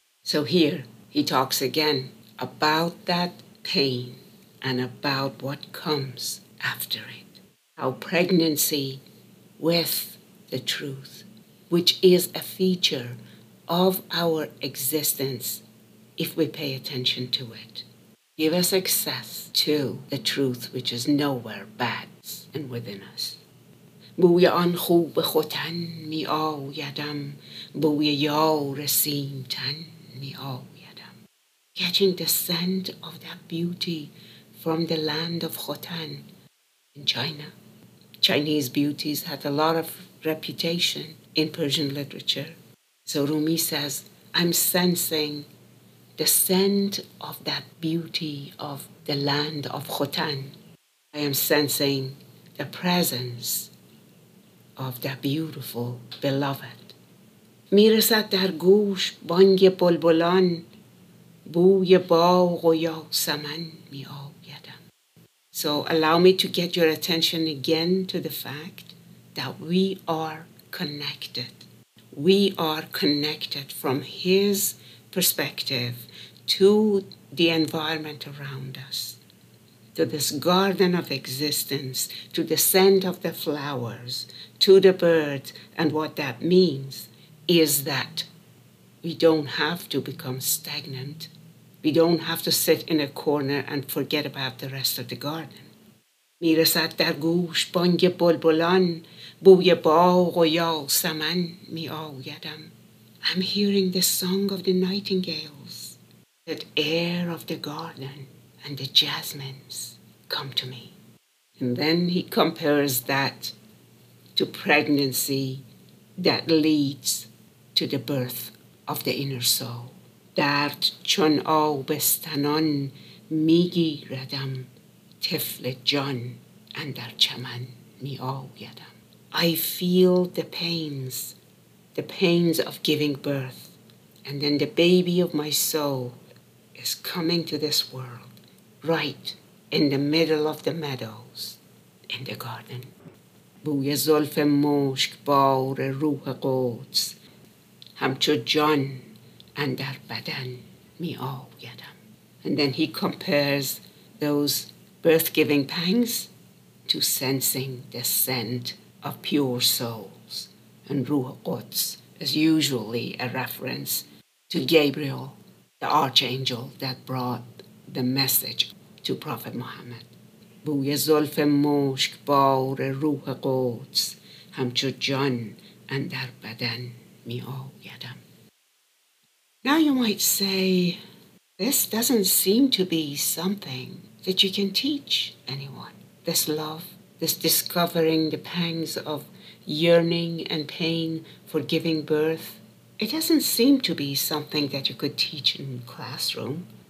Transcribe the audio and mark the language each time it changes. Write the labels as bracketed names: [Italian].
[English] So here he talks again about that pain and about what comes after it, how pregnancy with the truth, which is a feature of our existence if we pay attention to it, give us access to the truth which is nowhere but and within us. [Persian] بوی آن خوب ختن می آیدم بوی یار سیم تن می آیدم. [English] Catching the scent of that beauty from the land of Khotan in China. Chinese beauties had a lot of reputation in Persian literature. So Rumi says, I'm sensing the scent of that beauty of the land of Khotan. I am sensing the presence of that beautiful beloved. [Persian] میرسد در گوش بانگ بلبلان بوی باغ و یاسمن می آید. [English] So allow me to get your attention again to the fact that we are connected. We are connected from his perspective to the environment around us, to this garden of existence, to the scent of the flowers, to the birds. And what that means is that we don't have to become stagnant. We don't have to sit in a corner and forget about the rest of the garden. [Persian] میرسد در گوش بانگ بلبلان بوی باغ و یاسمن می آیدم. [English] I'm hearing the song of the nightingales, that air of the garden and the jasmines come to me. And then he compares that to pregnancy that leads to the birth of the inner soul. [Persian] درد چون آبستنان میگیردم طفل جان اندر چمن می آیدم. [English] I feel the pains of giving birth, and then the baby of my soul is coming to this world right in the middle of the meadows in the garden. [Persian] بوی زلف مشک بار روح قدس همچو جان اندر بدن می آیدم. [English] And then he compares those birth-giving pangs to sensing the scent of pure souls. And Ruh Quds is usually a reference to Gabriel, the archangel that brought the message to Prophet Muhammad. [Persian] بوی زلف مشک بار روح قدس همچو جان اندر بدن می آیدم. [English] Now you might say, this doesn't seem to be something that you can teach anyone. This love, this discovering the pangs of yearning and pain for giving birth, it doesn't seem to be something that you could teach in classroom.